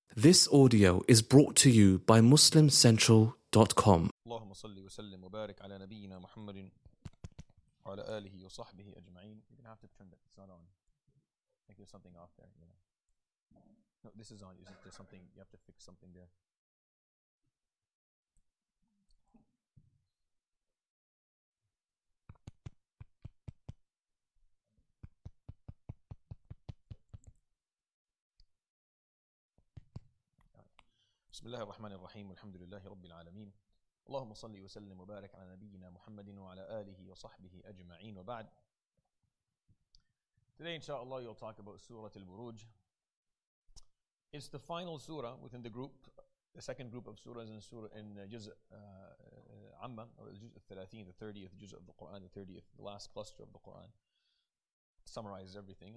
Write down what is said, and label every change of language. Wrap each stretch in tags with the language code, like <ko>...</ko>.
<en>This audio is brought to you by MuslimCentral.com.</en> <ar>اللهم صل وسلم وبارك على نبينا محمد وعلى آله وصحبه أجمعين.</ar> <en>You're gonna have to turn that. It's not on. I think there's something off there. You know. No, this is on. Isn't there something? You have to fix something there.</en> <ar>بسم الله الرحمن الرحيم والحمد لله رب العالمين اللهم صل وسلم وبارك على نبينا محمد وعلى آله وصحبه أجمعين وبعد.</ar> <en>Today inshallah you'll talk about Surah Al-Buruj. It's the final surah within the group, the second group of surahs in surah in juz amma or juz 30, the 30th juz of the Quran, the 30th, the last cluster of the Quran summarizes everything.</en>